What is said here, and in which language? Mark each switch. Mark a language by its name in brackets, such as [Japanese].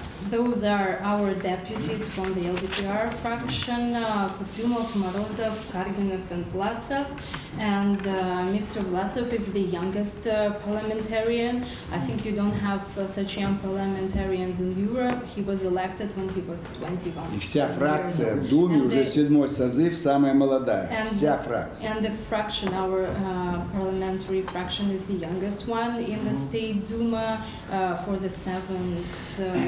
[English] Those are our deputies from the LDPR fraction, Kurdyumov, Morozov, Karginov, and Vlasov. And Mr. Vlasov is the youngest parliamentarian. I think you don't have such young parliamentarians in Europe. He was elected when he was 21. [Russian] И вся фракция в Думе, уже седьмой созыв, самая молодая. Вся фракция. [English] And the fraction, our parliamentary fraction, is the youngest one in the State Duma for the seventh